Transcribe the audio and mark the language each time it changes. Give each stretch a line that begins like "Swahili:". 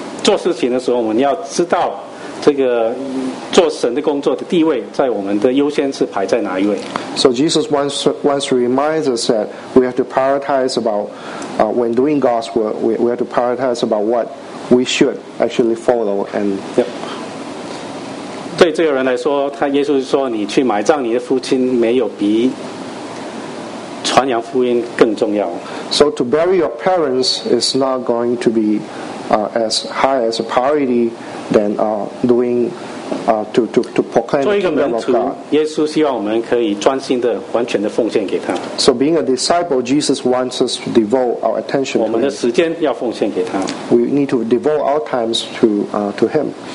Chinese: 耶稣要提醒我们的就是我们要，当我们做事情的时候，我们要知道。这个做神的工作的地位，在我们的优先是排在哪一位？
English: So Jesus once reminds us that we have to prioritize about when doing God's work, we have to prioritize about what we should actually follow. And yep.
Chinese: 对这个人来说，他耶稣说，你去埋葬你的父亲，没有比传扬福音更重要。
English: So to bury your parents is not going to be as high as a priority than doing to proclaim the kingdom of God.
Chinese: 耶稣希望我们可以专心的完全的奉献给他。
English: So being a disciple, Jesus wants us to devote our attention to him.
Chinese: 我们的时间要奉献给他。
English: We need to devote our times to him.